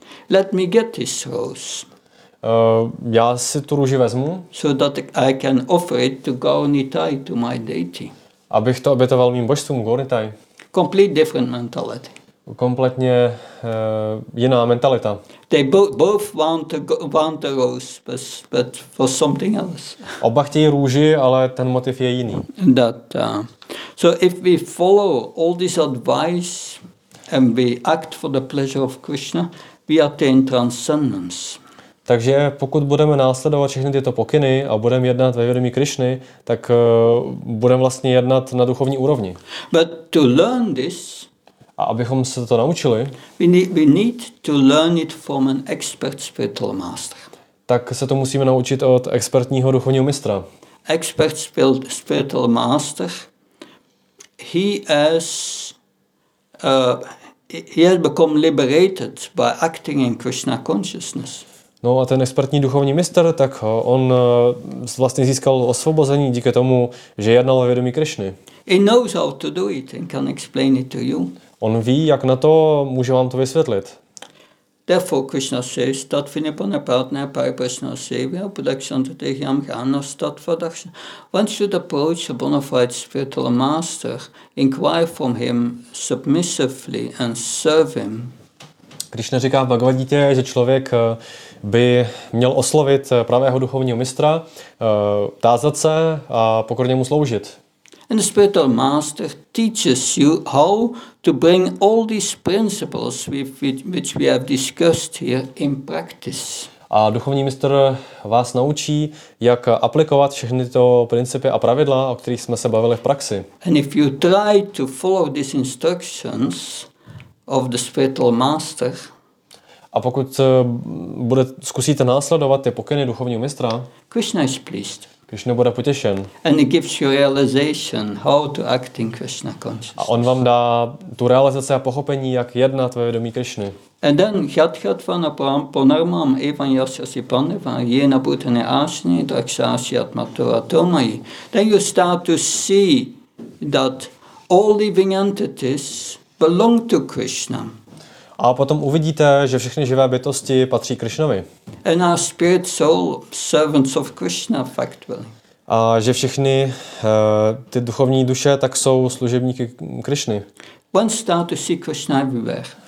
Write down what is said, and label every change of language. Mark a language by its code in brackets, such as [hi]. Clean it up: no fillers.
[en] Let me get this rose. [cs] Já si tu růži vezmu. [en] So that I can offer it to Gaunitai, to my deity. [cs] Abych to obětoval mým božstvům, Gaunitai. [en] Complete different mentality. [cs] Kompletně jiná mentalita. [en] They both want the rose, but for something else. [cs] Oba chtějí růži, ale ten motiv je jiný. [en] That, so if we follow all this advice and we act for the pleasure of Krishna, we attain transcendence. [cs] Takže pokud budeme následovat všechny tyto pokyny a budeme jednat ve vědomí Krišny, tak budeme vlastně jednat na duchovní úrovni. [en] But to learn this, [cs] a abychom se to naučili, [en] we need to learn it from an expert spiritual master. [cs] Tak se to musíme naučit od expertního duchovního mistra. [en] Expert spiritual master, he has become liberated by acting in Krishna consciousness. [cs] No a ten expertní duchovní mistr, tak on vlastně získal osvobození díky tomu, že jednal o vědomí Krišny. [en] He knows how to do it and can explain it to you. [cs] On ví, jak na to, může vám to vysvětlit. [en] Therefore Krishna says, tat vinipana partner paripasana sevya pudakshanta tehyam khana stattva dakshana. One should approach a bona fide spiritual master, inquire from him submissively and serve him. [cs] Krišna říká v Bhagavad Gītě, že člověk by měl oslovit pravého duchovního mistra, tázat se a pokorně mu sloužit. [en] And the spiritual master teaches you how to bring all these principles which we have discussed here in practice. [cs] A duchovní mistr vás naučí, jak aplikovat všechny tyto principy a pravidla, o kterých jsme se bavili v praxi. [en] And if you try to follow these instructions of the spiritual master, [cs] a pokud zkusíte následovat ty pokyny duchovního mistra, [en] Krishna is pleased. [cs] Krishna bude potěšen. [en] And he gives you realization how to act in Krishna consciousness. [cs] A on vám dá tu realizaci a pochopení, jak jednat ve vědomí Krishny. [en] And then Hyatkhatvana Ponarmam Evan Yasasi Pandeva Yena Bhutane Ashni Draksasi Atmatura Tomai. Then you start to see that all living entities belong to Krishna. [cs] A potom uvidíte, že všechny živé bytosti patří Krišnovi. [en] And our spirit soul, servants of Krishna, factually. [cs] A že všechny ty duchovní duše tak jsou služebníky Krišny. [en] One starts to see Krishna everywhere.